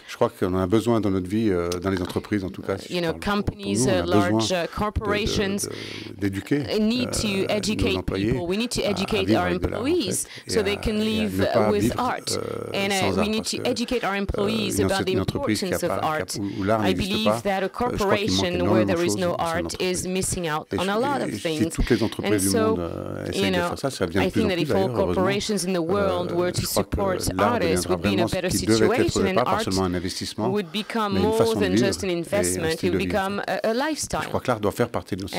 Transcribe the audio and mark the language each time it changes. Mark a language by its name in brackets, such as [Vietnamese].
[French] Je crois qu'on a besoin dans notre vie, dans les entreprises en tout cas. [English] You know, companies, large corporations need to educate people. We need to educate our employees so they can live with art. And we need to educate our employees about the importance of art. I believe that a corporation where there is no art is missing out on a lot of things. [French] Et toutes les entreprises du monde essaient de faire ça, ça vient de plus en plus d'ailleurs, heureusement. Je crois que l'art deviendra vraiment ce qui devait être au départ, pas seulement un investissement, mais une façon de vivre et un style de vie. Je crois que l'art doit faire partie de notre vie.